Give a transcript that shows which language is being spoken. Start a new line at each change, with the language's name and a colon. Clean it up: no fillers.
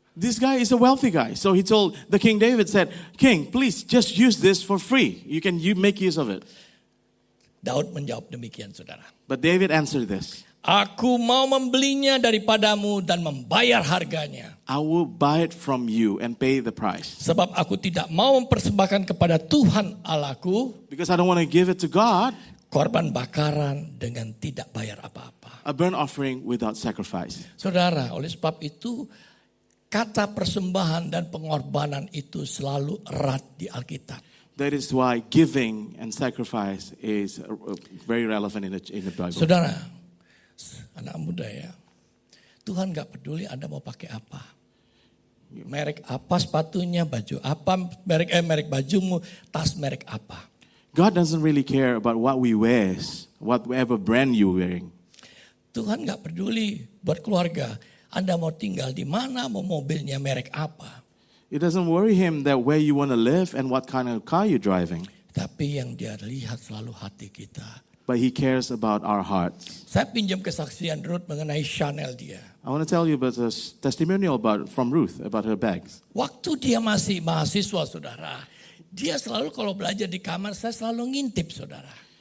English: This guy is a wealthy guy. So he told the King David said, King, please just use this for free. You make use of it.
Indonesian: Daud menjawab demikian, saudara.
English: But David answered this.
Indonesian: Aku mau membelinya daripadamu dan membayar harganya.
English: I will buy it from you and pay the price.
Indonesian: Sebab aku tidak mau mempersembahkan kepada Tuhan Allahku.
English: Because I don't want to give it to God.
Indonesian: Korban bakaran dengan tidak bayar apa-apa.
English: A burnt offering without sacrifice.
Indonesian: Saudara, oleh sebab itu kata persembahan dan pengorbanan itu selalu erat di Alkitab.
English: That is why giving and sacrifice is very relevant in the Bible.
Indonesian: Saudara, anak muda ya, Tuhan gak peduli Anda mau pakai apa. Merek apa sepatunya, baju apa, merek bajumu, tas merek apa.
English: God doesn't really care about what we wear, whatever brand you wearing.
Indonesian: Tuhan gak peduli buat keluarga, Anda mau tinggal di mana, mau mobilnya merek apa.
English: It doesn't worry him that where you want to live and what kind of car you're driving.
Indonesian: Tapi yang dia lihat selalu hati kita.
English: But he cares about our hearts.
Indonesian: Saya pinjam kesaksian Ruth mengenai Chanel dia.
English: I want to tell you about a testimonial from Ruth about her bags.
Indonesian: Waktu dia masih mahasiswa, saudara, dia selalu kalau belajar di kamar, saya selalu ngintip, saudara.